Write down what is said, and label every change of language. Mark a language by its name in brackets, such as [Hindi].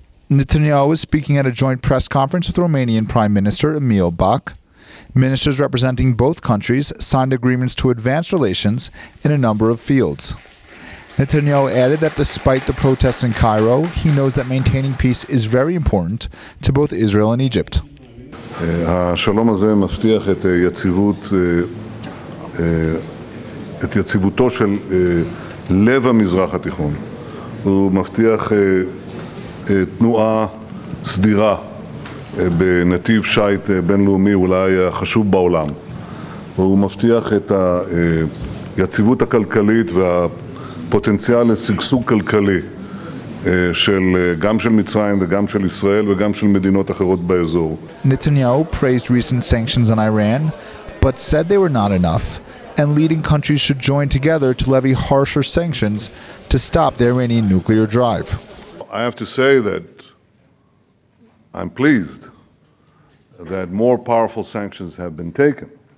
[English] Netanyahu is speaking at a joint press conference with Romanian Prime Minister Emil Bak. Ministers representing both countries signed agreements to advance relations in a number of fields. Netanyahu added that despite the protests in Cairo, he knows that maintaining peace is very important to both Israel and Egypt. [Hebrew] השלום הזה מבטיח את יציבות, את יציבותו של לב המזרח התיכון. הוא מבטיח תנועה סדירה בנתיב שייט בינלאומי אולי החשוב בעולם. הוא מבטיח את היציבות הכלכלית והפוטנציאל לסגסוג כלכלי של גם של מצרים וגם של ישראל וגם של מדינות אחרות באזור. [English] Netanyahu praised recent sanctions on Iran, but said they were not enough, and leading countries should join together to levy harsher sanctions to stop the Iranian nuclear drive. I have to say that I'm pleased that more powerful sanctions have been taken.